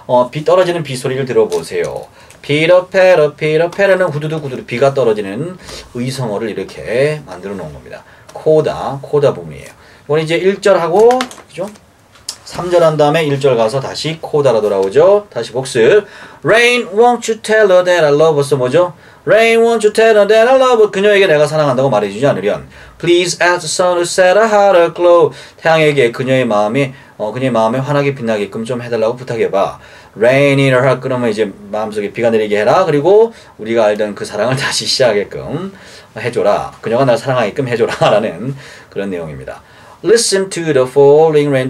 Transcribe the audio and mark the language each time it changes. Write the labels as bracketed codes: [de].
[ko] 비 떨어지는 비 소리를 들어보세요. [en] Pitter patter, pitter patter [ko] 는 후두둑 후두둑 비가 떨어지는 의성어를 이렇게 만들어 놓은 겁니다. 코다 부분이에요. 이번 이제 1절하고 그죠? 3절 한 다음에 1절 가서 다시 코다로 돌아오죠. 다시 복습. [en] Rain, won't you tell her that I love her? [ko] 뭐죠? [en] Rain, won't you tell her that I love her? [ko] 그녀에게 내가 사랑한다고 말해주지 않으련. [en] Please ask the sun to set a hotter glow. [ko] 태양에게 그녀의 마음에 환하게 빛나게끔 좀 해달라고 부탁해봐. [en] Rain in her heart. [ko] 그러면 이제 마음속에 비가 내리게 해라. 그리고 우리가 알던 그 사랑을 다시 시작하게끔 해줘라. 그녀가 날 사랑하게끔 해줘라. 라는 그런 내용입니다. [en] Listen to the falling rain.